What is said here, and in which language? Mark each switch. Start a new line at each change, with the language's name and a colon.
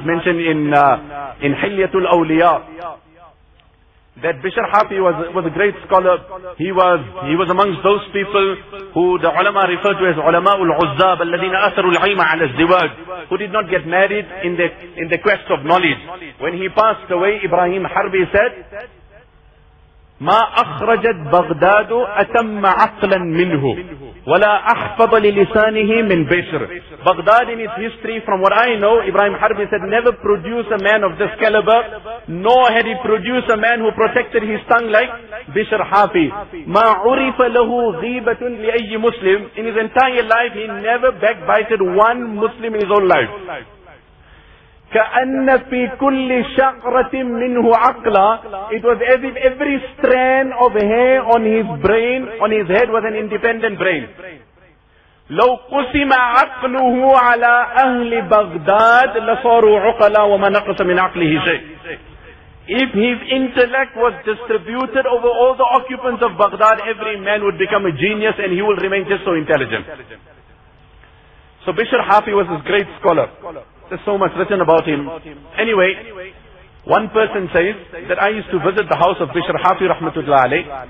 English: It's mentioned in Hilyatul Awliya. That Bishr Hafi was a great scholar. He was amongst those people who the ulama referred to as ulamaul uzzab,
Arabic: alladhina atharu al-ilma 'ala az-zawaj,
English: who did not get married in the quest of knowledge. When he passed away, Ibrahim Harbi said,
Arabic: ما أخرجت بغداد أتم عقلا منه ولا أحفظ للسانه من بشر.
English: Baghdad in its history, from what I know, Ibrahim Harbi said, never produced a man of this caliber, nor had he produced a man who protected his tongue like Bishr Hafi.
Arabic: ما عرف له غيبة لأي مسلم.
English: In his entire life, he never backbited one Muslim in his whole life.
Arabic: كأن في كل شعرة منه عقلا.
English: It was as if every strand of hair on his brain, on his head, was an independent brain.
Arabic: لو قسم عقله على أهل بغداد لصاروا عقلا وما نقص من عقله شيء.
English: If his intellect was distributed over all the occupants of Baghdad, every man would become a genius and he will remain just so intelligent. So Bishr Hafi was this great scholar. There's so much written about him. Anyway, one person says that I used to visit the house of Bishr Hafi rahmatullah alayh.